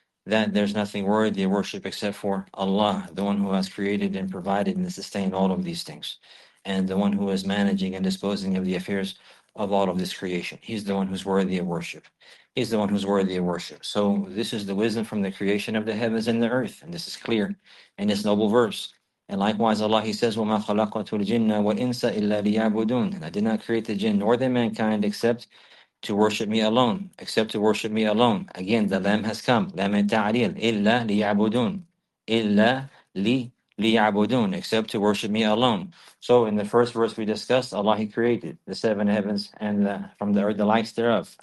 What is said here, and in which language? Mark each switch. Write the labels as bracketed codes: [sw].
[en] that there's nothing worthy of worship except for Allah, the one who has created and provided and sustained all of these things, and the one who is managing and disposing of the affairs of all of this creation. He's the one who's worthy of worship. He's the one who's worthy of worship. So this is the wisdom from the creation of the heavens and the earth, and this is clear in this noble verse. And likewise, Allah, He says, [ar] وَمَا خَلَقَتُ الْجِنَّ وَإِنسَ إِلَّا لِيَعْبُدُونَ. [en] And I did not create the jinn nor the mankind except to worship me alone. Except to worship me alone. Again, the lamb has come. Lamb and ta'ril. [ar] إِلَّا لِيَعْبُدُونَ. إِلَّا لِيَعْبُدُونَ. [en] Except to worship me alone. So in the first verse we discussed, Allah, He created the seven heavens and from the earth the likes thereof.